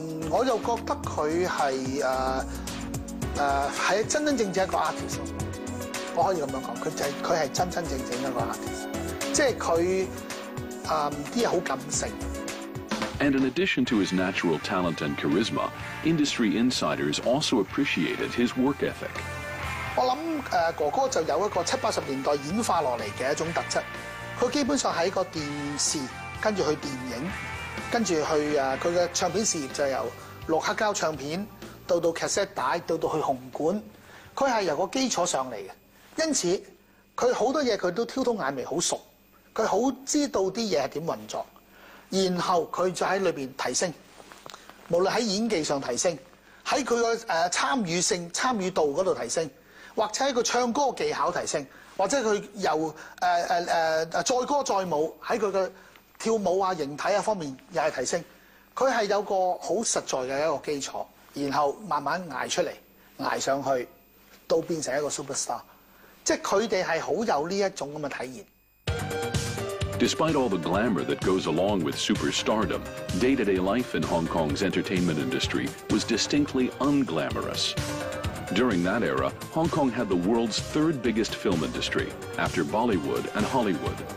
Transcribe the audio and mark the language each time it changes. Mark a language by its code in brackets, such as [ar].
[yue] 我就覺得佢係係真真正正一個 artist。我可以咁樣講，佢係真真正正一個 artist。即係佢啲嘢好感性。 [en] And in addition to his natural talent and charisma, industry insiders also appreciated his work ethic. [yue] 我諗哥哥就有一個七八十年代演化落嚟嘅一種特質。佢基本上喺個電視，跟住去電影，跟住去佢嘅唱片事業就由錄黑膠唱片到 cassette 帶，到去紅館，佢係由個基礎上嚟嘅。因此佢好多嘢佢都挑通眼眉，好熟，佢好知道啲嘢係點運作。然後佢就喺裏面提升，無論喺演技上提升，喺佢個參與性、參與度嗰度提升，或者喺個唱歌技巧提升，或者佢由再歌再舞喺佢嘅跳舞啊、形體啊方面又係提升，佢係有個好實在嘅一個基礎，然後慢慢捱出嚟、捱上去，到變成一個 superstar， 即係佢哋係好有呢一種咁嘅體現。 [en] Despite all the glamour that goes along with superstardom, day-to-day life in Hong Kong's entertainment industry was distinctly unglamorous. During that era, Hong Kong had the world's third biggest film industry, after Bollywood and Hollywood.